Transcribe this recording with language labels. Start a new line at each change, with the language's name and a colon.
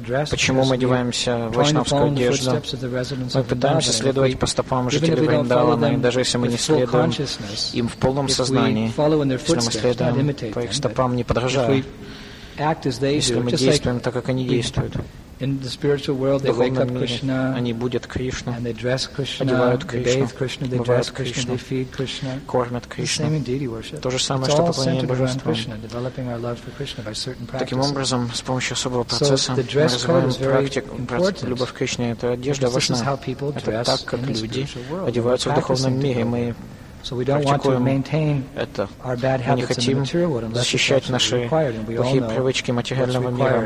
Russian: Почему мы одеваемся в вайшнавскую одежду? Мы пытаемся следовать по стопам жителей Вриндавана, даже если мы не следуем им в полном сознании, если мы следуем по их стопам, не подражая, если мы действуем так, как они действуют.
English: In the spiritual world, they wake up Krishna,
Russian: они будят Кришну,
English: and they dress Krishna,
Russian: одевают Кришну,
English: they bathe Krishna, they dress Krishna, they feed Krishna,
Russian: кормят Кришну.
English: Same in deity worship.
Russian: То же самое, что поклонение божеству.
English: Developing our love for Krishna by certain practices.
Russian: Таким образом, с помощью особого процесса мы развиваем практику любовь к Кришне. Это одежда важна. Это так, как люди одеваются в духовном мире. Мы практикуем это. Мы не хотим защищать наши плохие привычки материального мира.